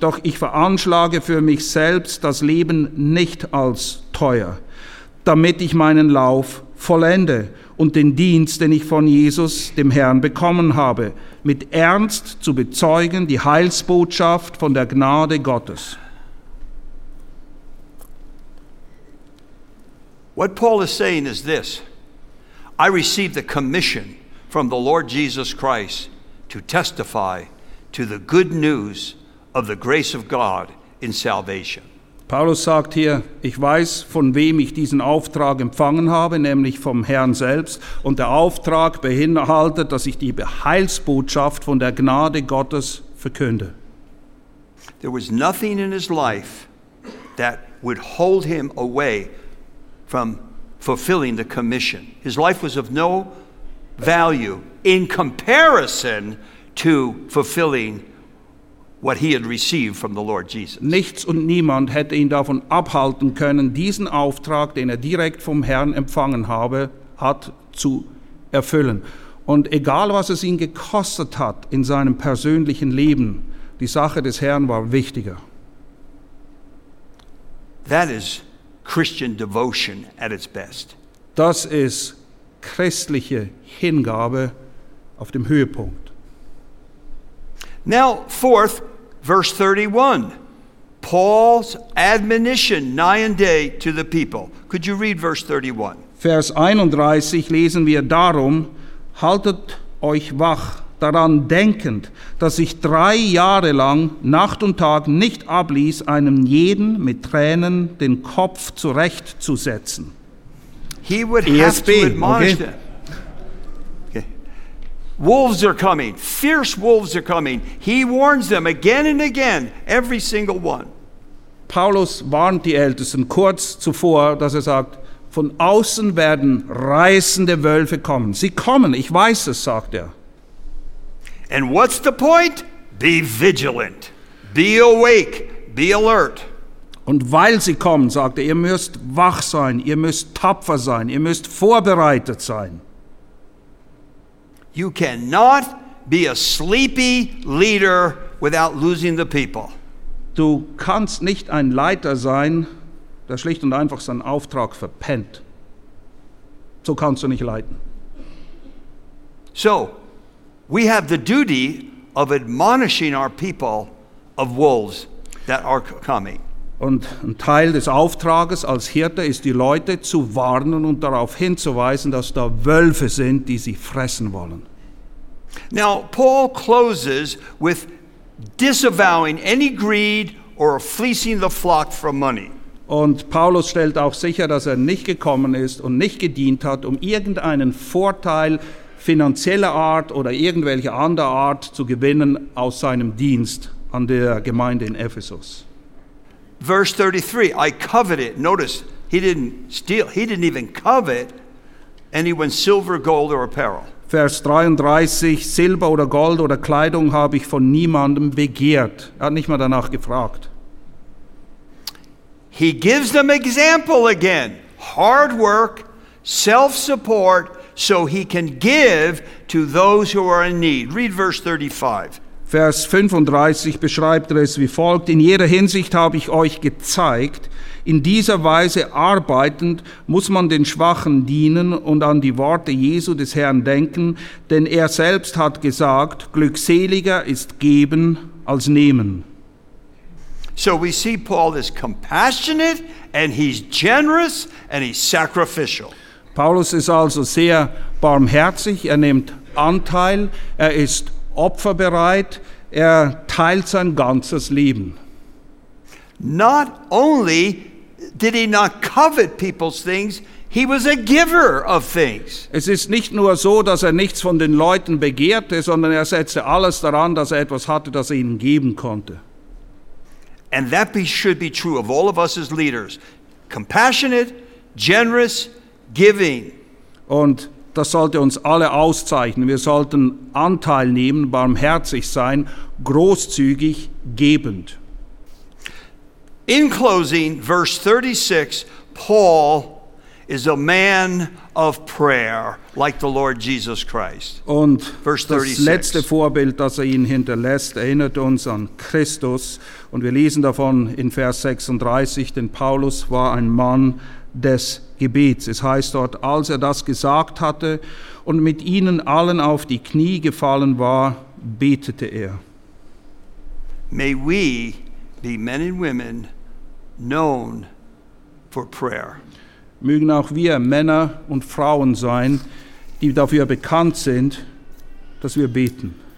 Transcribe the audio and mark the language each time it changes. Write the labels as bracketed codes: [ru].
[de] Doch ich veranschlage für mich selbst das Leben nicht als teuer, damit ich meinen Lauf vollende und den Dienst, den ich von Jesus, dem Herrn, bekommen habe, mit Ernst zu bezeugen, die Heilsbotschaft von der Gnade Gottes. [en] What Paul is saying is this: I received the commission from the Lord Jesus Christ to testify to the good news of the grace of God in salvation. [de] Paulus sagt hier, ich weiß, von wem ich diesen Auftrag empfangen habe, nämlich vom Herrn selbst. Und der Auftrag beinhaltet, dass ich die Heilsbotschaft von der Gnade Gottes verkünde. [en] There was nothing in his life that would hold him away from fulfilling the commission. His life was of no value in comparison to fulfilling what he had received from the Lord Jesus. [de] Nichts und niemand hätte ihn davon abhalten können, diesen Auftrag, den er direkt vom Herrn empfangen habe, hat zu erfüllen. Und egal, was es ihn gekostet hat in seinem persönlichen Leben, die Sache des Herrn war wichtiger. [en] That is Christian devotion at its best. [de] Das ist christliche Hingabe auf dem Höhepunkt. [en] Now, fourth, verse 31, Paul's admonition night and day to the people. Could you read verse 31? [de] Vers 31 lesen wir darum, haltet euch wach, daran denkend, dass ich 3 Jahre lang Nacht und Tag nicht abließ, einem jeden mit Tränen den Kopf zurechtzusetzen. [en] He would ESB, have to admonish them. Wolves are coming. Fierce wolves are coming. He warns them again and again, every single one. [de] Paulus warnt die Ältesten kurz zuvor, dass er sagt, von außen werden reißende Wölfe kommen. Sie kommen, ich weiß es, sagt er. [en] And what's the point? Be vigilant. Be awake. Be alert. [de] Und weil sie kommen, sagt er, ihr müsst wach sein, ihr müsst tapfer sein, ihr müsst vorbereitet sein. [en] You cannot be a sleepy leader without losing the people. [de] Du kannst nicht ein Leiter sein, der schlicht und einfach seinen Auftrag verpennt. So kannst du nicht leiten. [en] So, we have the duty of admonishing our people of wolves that are coming. [de] Und ein Teil des Auftrages als Hirte ist, die Leute zu warnen und darauf hinzuweisen, dass da Wölfe sind, die sie fressen wollen. [en] Now, Paul closes with disavowing any greed or fleecing the flock for money. [de] Und Paulus stellt auch sicher, dass er nicht gekommen ist und nicht gedient hat, um irgendeinen Vorteil finanzieller Art oder irgendwelche andere Art zu gewinnen aus seinem Dienst an der Gemeinde in Ephesus. [en] Verse 33, I coveted. Notice, he didn't steal. He didn't even covet anyone's silver, gold, or apparel. [de] Vers 33, Silber oder Gold oder Kleidung habe ich von niemandem begehrt. Er hat nicht mal danach gefragt. [en] He gives them example again. Hard work, self-support, so he can give to those who are in need. Read verse 35. [de] Vers 35 beschreibt er es wie folgt: In jeder Hinsicht habe ich euch gezeigt, in dieser Weise arbeitend muss man den Schwachen dienen und an die Worte Jesu des Herrn denken, denn er selbst hat gesagt, glückseliger ist geben als nehmen. [en] So we see Paul is compassionate and he's generous and he's sacrificial. [de] Paulus ist also sehr barmherzig, er nimmt Anteil, er ist opferbereit, er teilt sein ganzes Leben. [en] Not only did he not covet people's things, he was a giver of things. [de] Es ist nicht nur so, dass er nichts von den Leuten begehrte, sondern er setzte alles daran, dass er etwas hatte, das er ihnen geben konnte. [en] And that should be true of all of us as leaders. Compassionate, generous, giving. [de] Und das sollte uns alle auszeichnen. Wir sollten Anteil nehmen, barmherzig sein, großzügig, gebend. [en] In closing, verse 36, Paul is a man of prayer, like the Lord Jesus Christ. [de] Und verse 36. Das letzte Vorbild, das er ihnen hinterlässt, erinnert uns an Christus. Und wir lesen davon in Vers 36, denn Paulus war ein Mann des Gebets. Es heißt dort, als er das gesagt hatte und mit ihnen allen auf die Knie gefallen war, betete er. [en] May we be men and women known for prayer. [de] Mögen auch wir Männer und Frauen sein, die dafür bekannt sind, dass wir beten.